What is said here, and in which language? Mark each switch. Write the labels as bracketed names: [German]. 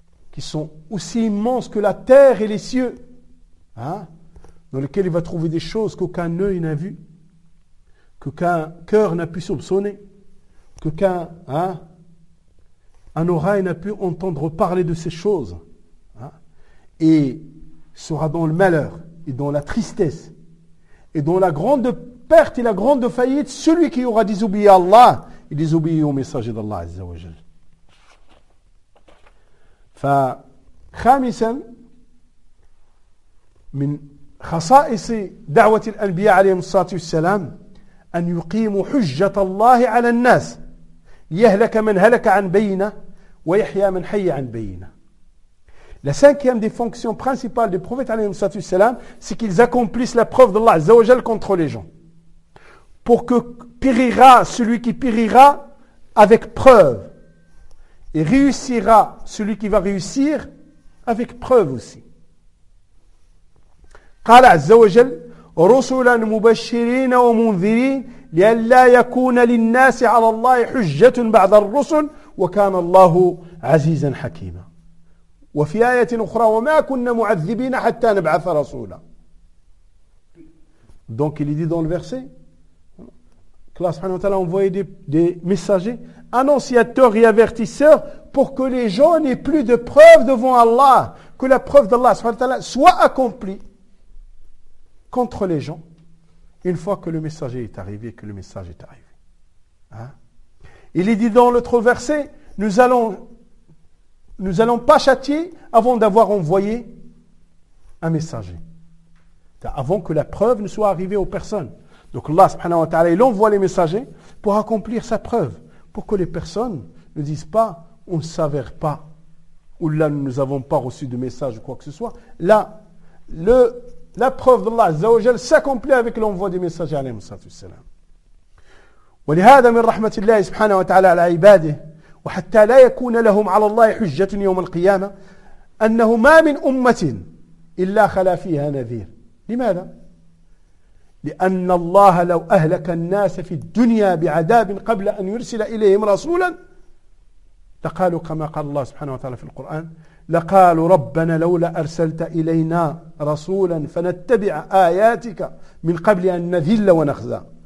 [French] Qui sont aussi immenses que la terre et les cieux, dans lesquels il va trouver des choses qu'aucun œil n'a vues, qu'aucun cœur n'a pu soupçonner, qu'aucun un oreille n'a pu entendre parler de ces choses, et sera dans le malheur, et dans la tristesse, et dans la grande perte et la grande faillite, celui qui aura désobéi à Allah et désobéi au messager d'Allah Azza wa Jal. [Arabic] فخامسا من خصائص دعوة الأنبياء عليهم الصلاة والسلام أن يقيموا حجة الله على الناس، يهلك من هلك عن بينة ويحيى من حي عن بينة. [French] La cinquième des fonctions principales des prophètes [Arabic] عليهم الصلاة والسلام [French] c'est qu'ils accomplissent la preuve d'Allah [Arabic] عز وجل [French] contre les gens, pour que périra celui qui périra avec preuve et réussira celui qui va réussir avec preuve aussi. [Arabic] قال عز وجل رسلا مبشرين ومنذرين لئلا يكون للناس على الله حجة بعد الرسل وكان الله عزيزا حكيما. وفي آية أخرى وما كنا معذبين حتى نبعث رسولا. [French] Donc il dit dans le verset qu'Allah subhanahu wa ta'ala a envoyé des messagers annonciateurs et avertisseurs pour que les gens n'aient plus de preuves devant Allah, que la preuve d'Allah subhanahu wa ta'ala soit accomplie contre les gens une fois que le messager est arrivé, que le message est arrivé. Hein? Il est dit dans l'autre verset, nous allons pas châtier avant d'avoir envoyé un messager. Avant que la preuve ne soit arrivée aux personnes. Donc Allah subhanahu wa ta'ala, il envoie les messagers pour accomplir sa preuve. Pour que les personnes ne disent pas, on ne s'avère pas. Ou là, nous n'avons pas reçu de message ou quoi que ce soit. Là, la preuve d'Allah azza wa jal s'accomplit avec l'envoi des messagers alayhi salatu wassalam. [Arabic] ولهذا من رحمة الله سبحانه وتعالى على عباده وحتى لا يكون لهم على الله حجة يوم القيامة أنه ما من أمة إلا خلا فيها نذير. لماذا؟ لأن الله لو أهلك الناس في الدنيا بعذاب قبل أن يرسل إليهم رسولا لقالوا كما قال الله سبحانه وتعالى في القرآن لقالوا ربنا لولا أرسلت إلينا رسولا فنتبع آياتك من قبل أن نذل ونخزى.